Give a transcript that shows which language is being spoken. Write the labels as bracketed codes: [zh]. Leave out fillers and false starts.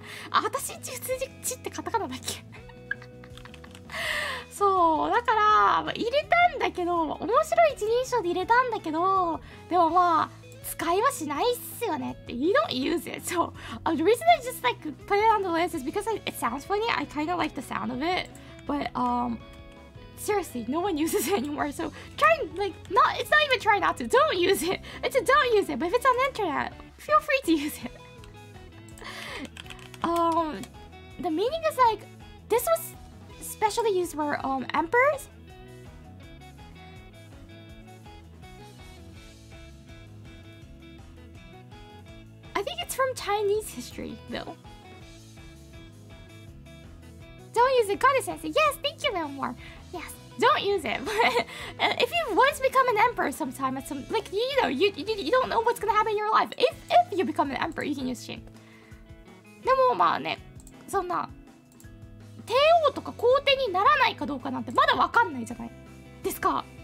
[ja] あたしんち普通にちってカタカナだっけ。そう、だから入れたんだけど、面白い一人称で入れたんだけど、でもまあ使いはしないっすよねって。 [en] You don't use it. So the reason I just like put it on the list is because it sounds funny. I kind of like the sound of it. But seriously, no one uses it anymore. So try like not, it's not even try not to. Don't use it. It's a don't use it. But if it's on the internet, feel free to use it. The meaning is like, this was especially used for emperors. I think it's from Chinese history, though. Don't use it, Goddess Sensei. Yes, thank you, Little More. Yes, don't use it. If you once become an emperor sometime, at some, like, you know, you don't know what's gonna happen in your life. If you become an emperor, you can use Shin. [ja] でもまあね、そんな帝王とか皇帝にならないかどうかなんてまだわかんないじゃないですか。